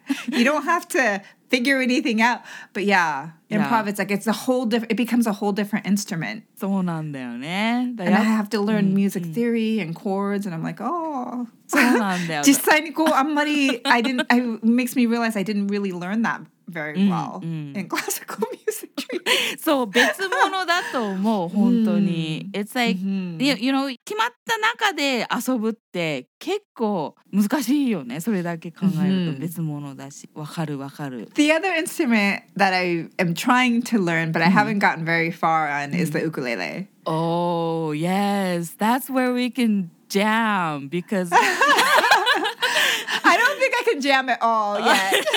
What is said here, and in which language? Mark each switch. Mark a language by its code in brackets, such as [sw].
[en] you don't have to figure anything out. But yeah, improv, it's like, it becomes a whole different instrument. [ja] そうなんだよね。 [en] And I have to learn music theory and chords, and I'm like, oh... [ja] そうなんだよ。実際にこう、あんまり、 [en] it makes me realize I didn't really learn that very well in classical music. [ja] そう、別物だと思う、本当に。 [en] It's like, you know, [ja] 決まった中で遊ぶって結構難しいよね。それだけ考えると別物だし。わかるわかる。 [en] The other instrument that I am trying to learn, but I haven't gotten very far on, is the ukulele. Oh, yes. That's where we can... jam because I don't think I can jam at all yet.